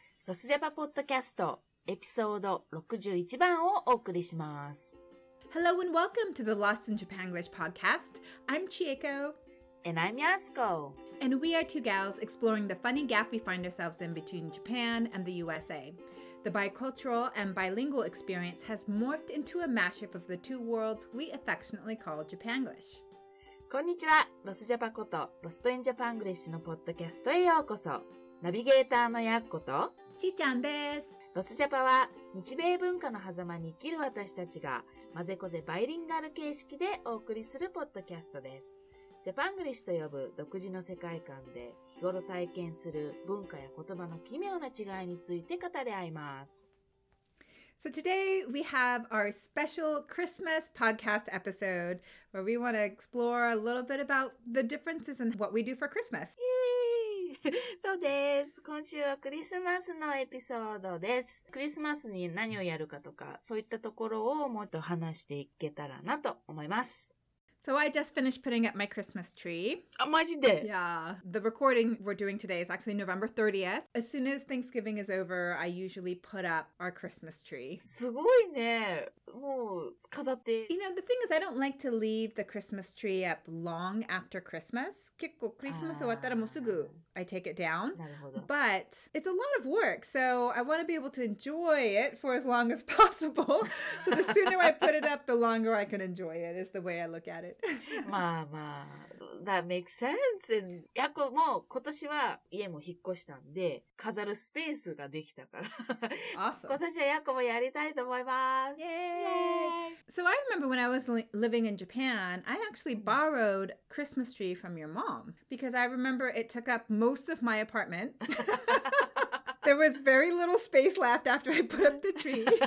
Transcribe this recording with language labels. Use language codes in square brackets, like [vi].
[ja] ロスジャパポッドキャストエピソード61番をお送りします。 [en] Hello and welcome to the Lost in Japan English podcast. I'm Chieko. And I'm Yasuko. And we are two gals exploring the funny gap we find ourselves in between Japan and the USA. The bicultural and bilingual experience has morphed into a mashup of the two worlds we affectionately call Japanglish. [ja] こんにちは、ロスジャパこと、ロストインジャパングリッシュのポッドキャストへようこそ。ナビゲーターのやっこと、ちーちゃんです。ロスジャパは、日米文化の狭間に生きる私たちが、まぜこぜバイリンガル形式でお送りするポッドキャストです。ジャパングリッシュと呼ぶ独自の世界観で、日頃体験する文化や言葉の奇妙な違いについて語り合います。 [en] So today we have our special Christmas podcast episode where we want to explore a little bit about the differences in what we do for Christmas. [ja] Yay! そうです。今週はクリスマスのエピソードです。クリスマスに何をやるかとか、そういったところをもっと話していけたらなと思います。 [en] So I just finished putting up my Christmas tree. [ja] あ、マジで? [en] Yeah. The recording we're doing today is actually November 30th. As soon as Thanksgiving is over, I usually put up our Christmas tree. [ja] すごいね。もう、飾って。 [en] You know, the thing is, I don't like to leave the Christmas tree up long after Christmas. [ja] 結構クリスマス終わったらもうすぐ [en] I take it down. [ja] なるほど。 [en] But it's a lot of work, so I want to be able to enjoy it for as long as possible. So the sooner I put it up, the longer I can enjoy it is the way I look at it. まあまあ、that makes sense. [ja] And やこも今年は家も引っ越したんで、飾るスペースができたから。 [en] Awesome. [ja] 今年はやこもやりたいと思います。 [en] Yay! So I remember when I was living in Japan, I actually borrowed Christmas tree from your mom. Because I remember it took up most of my apartment. There was very little space left after I put up the tree.